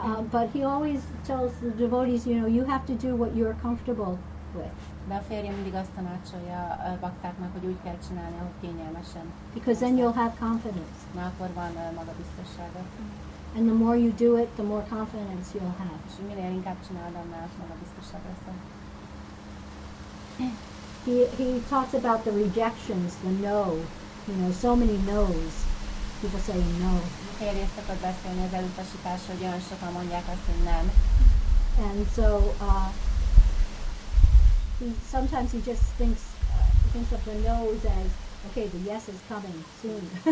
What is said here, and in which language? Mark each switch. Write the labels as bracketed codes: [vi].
[en] But he always tells the devotees, you know, you have to do what you're comfortable with. [hu] De a férje mindig azt tanácsolja a baktáknak, hogy úgy kell csinálni, ahogy kényelmesen. [en] Because then you'll have confidence. [hu] Na, akkor van magabiztossága. [en] And the more you do it, the more confidence you'll have. [hu] És minél inkább csinálod, annál magabiztossága lesz. [en] He talks about the rejections, the no. You know, so many no's. People say no. [hu] Férje szokott beszélni az elutasításra, hogy olyan sokan mondják azt, hogy nem. [en] And so, sometimes he just thinks of the no's as, okay, the yes is coming soon.